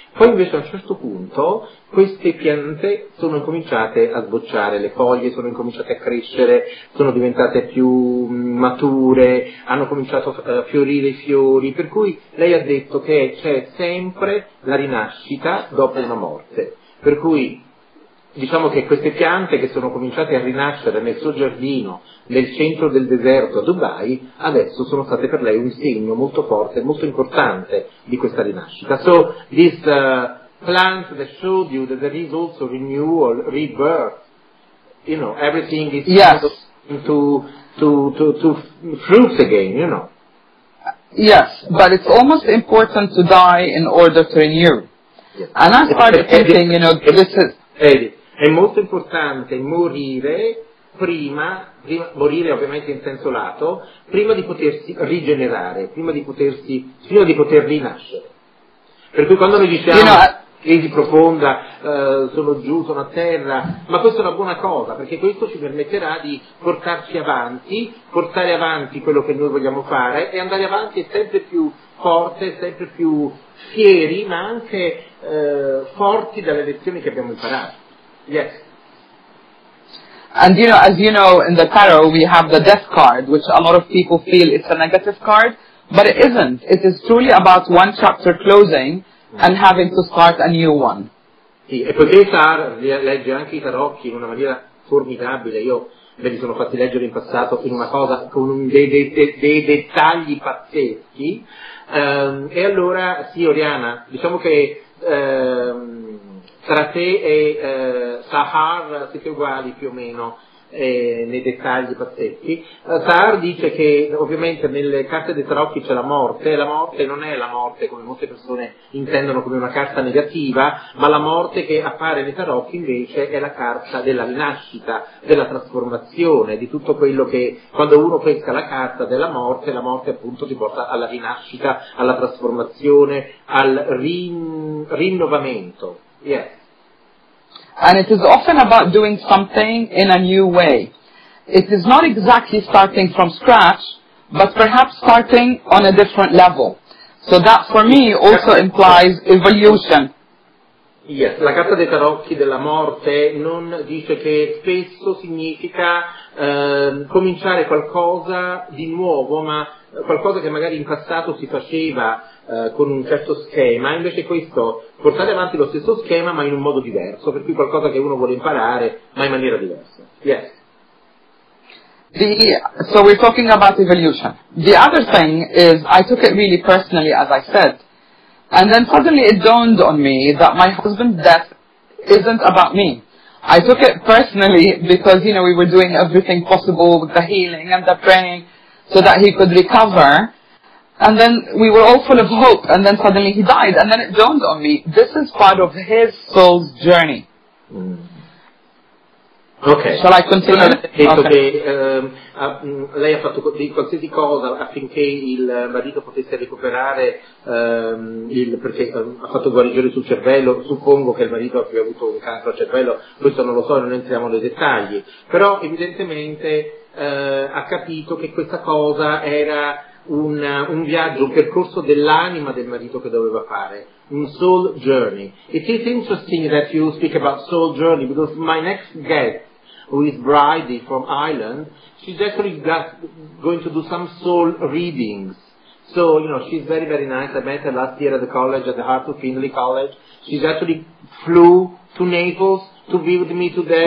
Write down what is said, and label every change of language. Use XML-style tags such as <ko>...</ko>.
<it>Poi invece a un certo punto queste piante sono incominciate a sbocciare, le foglie sono incominciate a crescere, sono diventate più mature, hanno cominciato a fiorire i fiori, per cui lei ha detto che c'è sempre la rinascita dopo una morte. Per cui diciamo che queste piante che sono cominciate a rinascere nel suo giardino, nel centro del deserto a Dubai, adesso sono state per lei un segno molto forte, molto importante di questa rinascita.</it> <en>So this plants that showed you that there is also renewal, rebirth. You know, everything is into fruits again, you know. Yes, but it's almost important to die in order to renew. Yes. And I started thinking, you know, this is...</en> <it>È molto importante morire prima, morire ovviamente in senso lato, prima di potersi rigenerare, prima di poter rinascere. Per cui quando noi diciamo,</it> <en>you know,</en> <it>crisi profonda, sono giù, sono a terra, ma questa è una buona cosa, perché questo ci permetterà di portare avanti quello che noi vogliamo fare e andare avanti sempre più forte, sempre più fieri, ma anche forti dalle lezioni che abbiamo imparato.</it> <en>Yes. And you know, as you know, in the tarot we have the death card, which a lot of people feel it's a negative card, but it isn't. It is truly about one chapter closing and having to start a new one.</en> <it>Sì, e poiché legge anche i tarocchi in una maniera formidabile, io me li sono fatti leggere in passato in una cosa con dei dettagli pazzeschi, e allora, sì, Oriana, diciamo che tra te e Sahar siete uguali più o meno nei dettagli pazzeschi. Sahar dice che ovviamente nelle carte dei tarocchi c'è la morte, e la morte non è la morte come molte persone intendono come una carta negativa, ma la morte che appare nei tarocchi invece è la carta della rinascita, della trasformazione, di tutto quello che, quando uno pesca la carta della morte, la morte appunto ti porta alla rinascita, alla trasformazione, al rinnovamento.</it> <en>Yes. And it is often about doing something in a new way. It is not exactly starting from scratch, but perhaps starting on a different level. So that for me also implies evolution.</en> <it>Yes, la carta dei tarocchi della morte non dice che spesso significa cominciare qualcosa di nuovo, ma qualcosa che magari in passato si faceva con un certo schema, invece questo, portare avanti lo stesso schema ma in un modo diverso, per cui qualcosa che uno vuole imparare ma in maniera diversa.</it> <en>Yes. So we're talking about evolution. The other thing is, I took it really personally, as I said, and then suddenly it dawned on me that my husband's death isn't about me. I took it personally because, you know, we were doing everything possible with the healing and the praying so that he could recover. And then we were all full of hope, and then suddenly he died, and then it dawned on me, this is part of his soul's journey. Mm. Okay. Shall I continue?</en> <it>Ha detto che lei ha fatto di qualsiasi cosa affinché il marito potesse recuperare, perché ha fatto guarigione sul cervello, suppongo che il marito abbia avuto un cancro al cervello, questo non lo so, non entriamo nei dettagli, però evidentemente ha capito che questa cosa era... Un viaggio, un percorso dell'anima del marito che doveva fare, un soul journey.</it> <en>It is interesting that you speak about soul journey because my next guest, who is Bridie from Ireland, she's actually going to do some soul readings. So, you know, she's very, very nice. I met her last year at the college, at the Heart of Findlay College. She's actually flew to Naples to be with me today.</en>